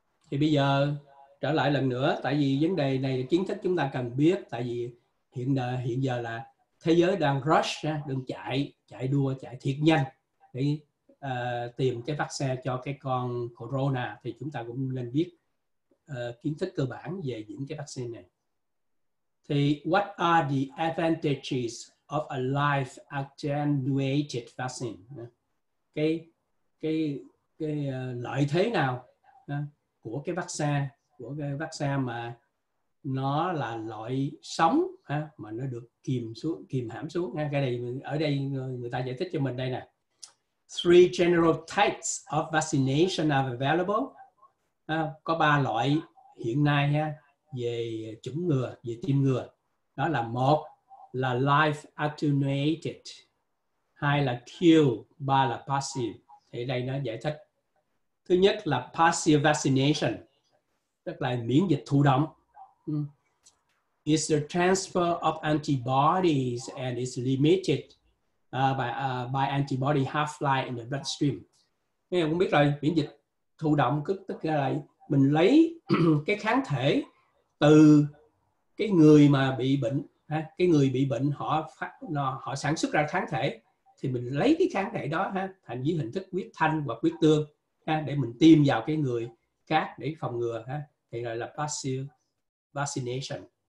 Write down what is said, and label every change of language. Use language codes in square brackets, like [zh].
[vi] Thì bây giờ trở lại lần nữa, tại vì vấn đề này kiến thức chúng ta cần biết, tại vì hiện giờ là thế giới đang rush, đang chạy đua, chạy thiệt nhanh để tìm cái vaccine cho cái con corona, thì chúng ta cũng nên biết kiến thức cơ bản về những cái vaccine này. [en] Thì what are the advantages of a live attenuated vaccine? [vi] Cái lợi thế nào của cái vaccine, mà nó là loại sống mà nó được kìm hãm xuống. Ở đây người ta giải thích cho mình đây nè. [en] Three general types of vaccination are available. [vi] Có ba loại hiện nay về chủng ngừa, về tiêm ngừa. Đó là một là live attenuated, hai là cure, ba là passive. Thì đây nó giải thích. Thứ nhất là passive vaccination, tức là miễn dịch thụ động. [en] It's the transfer of antibodies and it's limited by antibody half-life in the bloodstream. [vi] Nghe cũng biết rồi, miễn dịch thụ động tức là mình lấy cái kháng thể từ cái người mà bị bệnh, cái người bị bệnh họ sản xuất ra kháng thể, thì mình lấy cái kháng thể đó thành dưới hình thức huyết thanh hoặc huyết tương để mình tiêm vào cái người khác để phòng ngừa, thì gọi là passive vaccination.